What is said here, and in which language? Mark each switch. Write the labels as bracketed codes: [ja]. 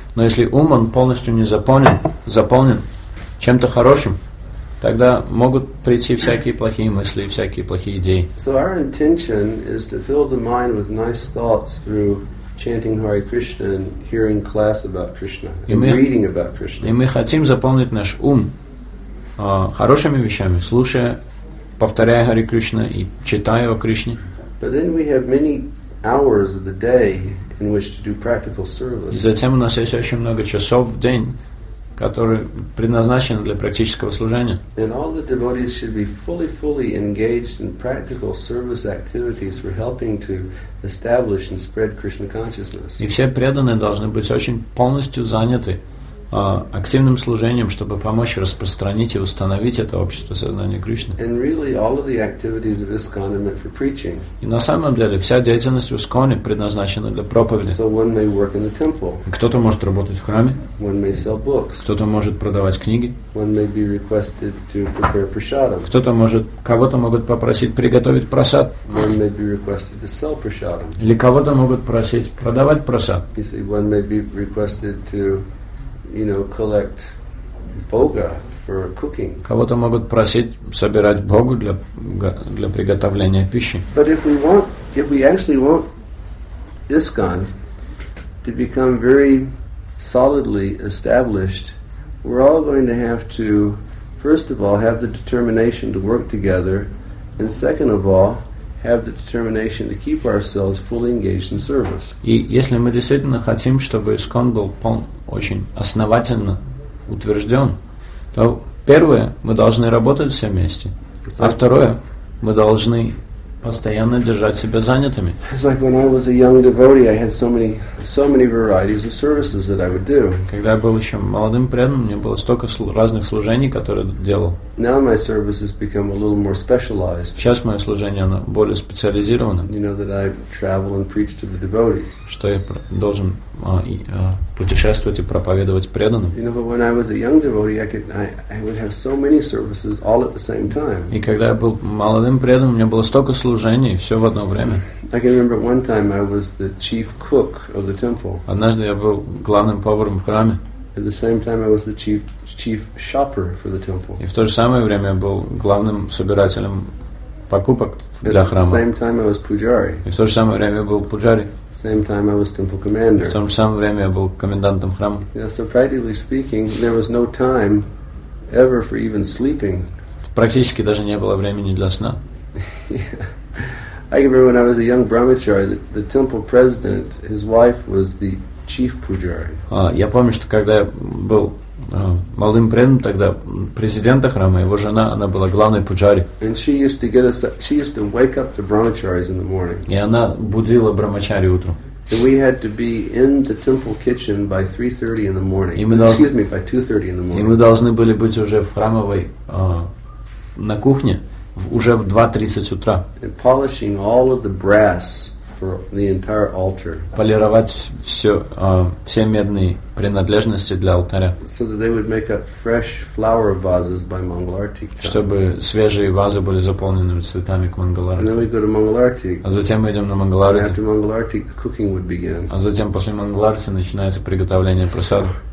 [ru] Но если ум он полностью не заполнен чем-то хорошим, тогда могут прийти всякие плохие мысли и всякие плохие идеи. [en] So our intention is to fill the mind with nice thoughts through chanting Hare Krishna and hearing class about Krishna and reading about Krishna. [ru] И мы хотим заполнить наш ум хорошими вещами, слушая, повторяя Хари Кришна и читая о Кришне. [en] But then we have many hours of the day in which to do practical service. [ru] И затем у нас есть очень много часов в день, которые предназначены для практического служения. [en] And all the devotees should be fully engaged in practical service activities for helping to establish and spread Krishna consciousness. [ru] И все преданные должны быть очень полностью заняты активным служением, чтобы помочь распространить и установить это общество сознания Кришны. [en] And really, all of the activities of ISKCON are meant for preaching. [ru] И на самом деле вся деятельность ISKCON предназначена для проповеди. [en] So one may work in the temple. [ru] Кто-то может работать в храме. [en] One may sell books. [ru] Кто-то может продавать книги. [en] One may be requested to prepare prasadam. [ru] Кого-то могут попросить приготовить прасад. [en] One may be requested to sell prasadam. [ru] Или кого-то могут просить продавать прасад. [en] You see, one may be requested to you know, collect boga for cooking. [ru] Кого-то могут просить собирать богу для приготовления пищи. [en] But if we want, if we actually want ISKCON to become very solidly established, we're all going to have to, first of all, have the determination to work together, and second of all, have the determination to keep ourselves fully engaged in service. [ru] И если мы действительно хотим, чтобы ИСКОН был очень основательно утвержден, то первое, мы должны работать все вместе, а второе, мы должны постоянно держать себя занятыми. [en] It's like when I was a young devotee, I had so many varieties of services that I would do. [ru] Когда я был еще молодым преданным, у меня было столько разных служений, которые делал. [en] Now my service has become a little more specialized. [ru] Сейчас мое служение оно более специализировано. [en] You know that I travel and preach to the devotees. [ru] Что я должен путешествовать и проповедовать преданным. [en] You know, but when I was a young devotee, I would have so many services all at the same time. [ru] И когда я был молодым преданным, у меня было столько служений, все в одно время. [en] I can remember one time I was the chief cook of the temple. [ru] Однажды я был главным поваром в храме. [en] At the same time I was the chief shopper for the temple. [ru] И в то же самое время я был главным собирателем покупок для храма. [en] At the same time I was pujari. [ru] И в то же самое время я был пуджари. [en] Same time I was temple commander. [ru] В то же самое время я был комендантом храма. [en] Yeah, so practically speaking, there was no time ever for even sleeping. [ru] Практически даже не было времени для сна. [en] I can remember when I was a young brahmachari, the temple president, his wife was the chief pujari. [ru] Я помню, что когда я был молодым преданным, тогда президента храма, его жена, она была главной пуджари. [en] And she used to get us up, she used to wake up the brahmacharis in the morning. [ru] И она будила брахмачари утром. [en] And we had to be in the temple kitchen by 3:30 in the morning. Excuse me, by 2:30 in the morning. [ru] И мы должны были быть уже в храмовой на кухне уже в 2:30 утра. [en] And polishing all of the brass for the entire altar. [ru] Полировать все медные принадлежности для алтаря. [en] So that they would make up fresh flower vases by Mangal Arati. [ru] Чтобы свежие вазы были заполнены цветами к Мангал Арти. [en] And then we go to Mangal Arati. [ru] А затем мы идем на Мангал Арти. [en] After Mangal Arti, the cooking would begin. [ru] А затем после Мангал Арти начинается приготовление прасад.